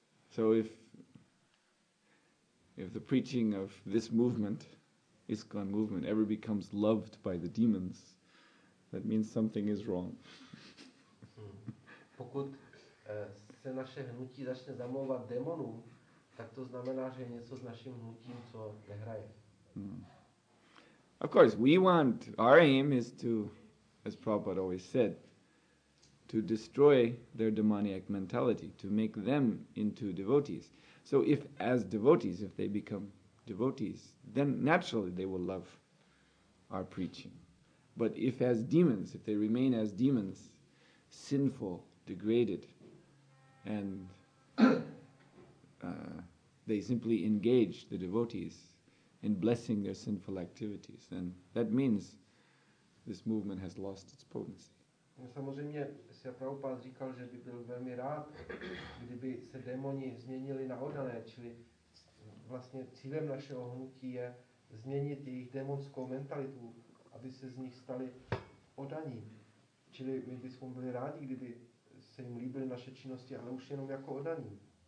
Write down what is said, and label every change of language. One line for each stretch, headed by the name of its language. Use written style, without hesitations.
English: So if the preaching of this movement, ISKCON movement, ever becomes loved by the demons, That means something is wrong.
Czech: Pokud se naše hnutí začne zamlouvat demonům, tak to znamená, že je něco s naším hnutím, co nehraje. Hmm.
English: Of course, we want, our aim is to, as Prabhupada always said, to destroy their demoniac mentality, to make them into devotees. So if, as devotees, if they become devotees, then naturally they will love our preaching. But if as demons, if they remain as demons, sinful, degraded, and they simply engage the devotees in blessing their sinful activities, then that means this movement has lost its potency.
Czech: Samozřejmě se Prabhupád říkal, že by byl velmi rád, kdyby se démoni změnili na oddané, čili vlastně cílem našeho hnutí je změnit jejich démonskou mentalitu, aby se z nich stali oddaní. Čili my bychom byli rádi, kdyby se jim líbily naše činnosti, ale už jenom jako oddaní.